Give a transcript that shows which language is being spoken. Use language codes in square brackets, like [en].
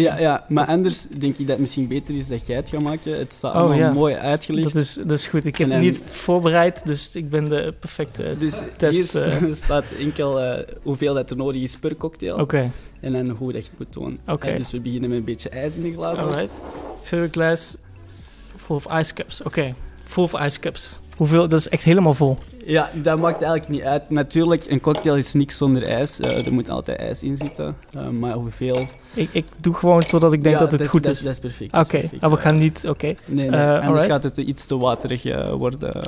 [nl] Ja, maar anders denk ik dat het misschien beter is dat jij het gaat maken. Het staat allemaal mooi uitgelegd. Dat is goed. Ik heb het niet voorbereid, dus ik ben de perfecte dus test. Dus hier staat enkel hoeveel dat er nodig is per cocktail. Okay. En dan hoe dat je het moet doen. Okay. Dus we beginnen met een beetje ijs in de glazen. Alright. [en] Fill a glass full of ice cups. Okay. Full of ice cups. [nl] Hoeveel? Dat is echt helemaal vol. Ja, dat maakt eigenlijk niet uit. Natuurlijk, een cocktail is niks zonder ijs. Er moet altijd ijs in zitten. Maar hoeveel? Ik doe gewoon totdat ik denk dat het goed is. Dat is perfect. Oké, okay. We gaan niet... Oké. Okay. Nee, anders alright. gaat het iets te waterig worden.